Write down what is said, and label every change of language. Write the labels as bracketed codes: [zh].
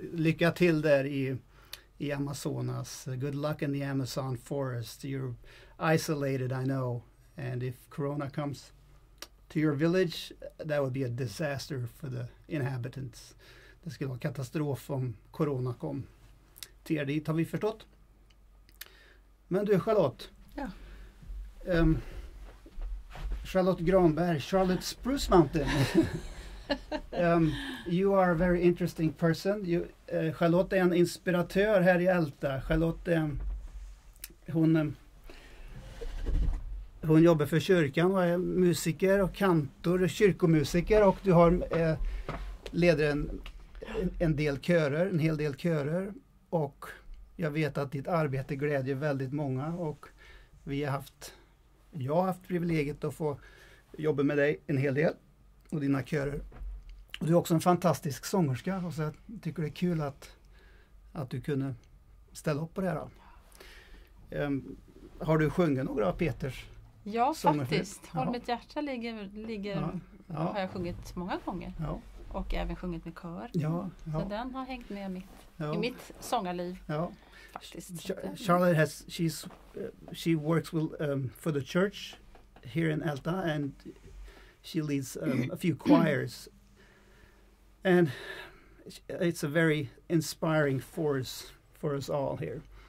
[sv] Lycka till där i Amazonas. [en] Good luck in the Amazon forest. You're isolated, I know. And if Corona comes to your village, that would be a disaster for the inhabitants. [sv] Det skulle vara katastrof om Corona kom till er dit, har vi förstått. Men du, Charlotte. Ja. Charlotte Granberg, Charlotte Spruce Mountain. [en] you are a very interesting person. [sv] Charlotte är en inspiratör här i Älta. Charlotte, hon jobbar för kyrkan och är musiker och kantor och kyrkomusiker. Och du har leder en del körer, en hel del körer. Och jag vet att ditt arbete glädjer väldigt många och jag har haft privilegiet att få jobba med dig en hel del och dina körer. Och du är också en fantastisk sångerska och så jag tycker det är kul att du kunde ställa upp på det här. Har du sjungit några av Peters sånger? Faktiskt. Håll mitt hjärta ligger har jag sjungit många gånger. Ja. Och även sjungit med kör. Ja, ja. Så den har hängt med i mitt sångarliv. Ja. Faktiskt. [en] Charlotte she works with for the church here in Älta and she leads a few choirs. And it's a very inspiring force for us all here.